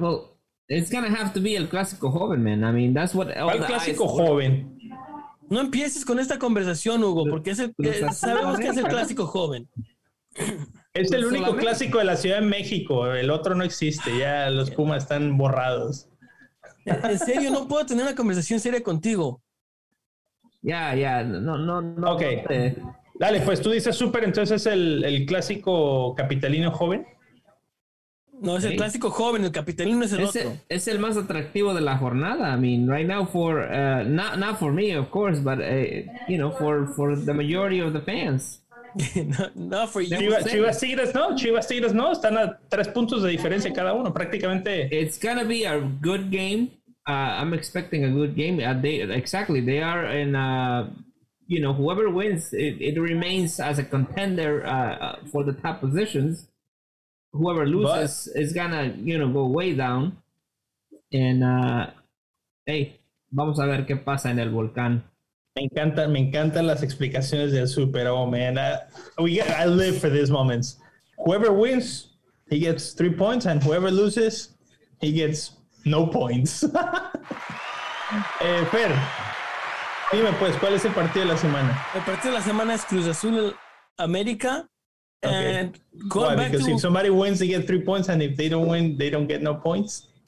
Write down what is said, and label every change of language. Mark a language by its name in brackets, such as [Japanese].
[English] Well, it's going to have to be El Clásico Joven, man. I mean, that's what. [Spanish] El Clásico Joven. No empieces con esta conversación, Hugo, porque sabemos que es el Clásico Joven. Es el único solamente. Clásico de la Ciudad de México. El otro no existe. Ya los Pumas están borrados. En serio, no puedo tener una conversación seria contigo. Ya. No. Ok. Dale, pues tú dices súper, entonces es el Clásico Capitalino Joven. No, es el Clásico Joven. El Capitalino es el otro. Es el más atractivo de la jornada. [English] I mean, right now for... not for me, of course, but, you know, for the majority of the fans. No, for you. [Spanish] Chivas Tigres no. Están a 3 puntos de diferencia cada uno, prácticamente. [English] It's gonna be a good game. I'm expecting a good game. They are in. You know, whoever wins, it remains as a contender for the top positions. Whoever loses is gonna, you know, go way down. [Spanish] And vamos a ver qué pasa en el volcán. Me encantan las explicaciones del super. [English] Oh man, I live for these moments. Whoever wins, he gets 3 points, and whoever loses, he gets no points. [Spanish] Fer, dime pues, ¿cuál es el partido de la semana? El partido de la semana es Cruz Azul América. [English] Okay. Why? Because if somebody wins, they get 3 points, and if they don't win, they don't get no points.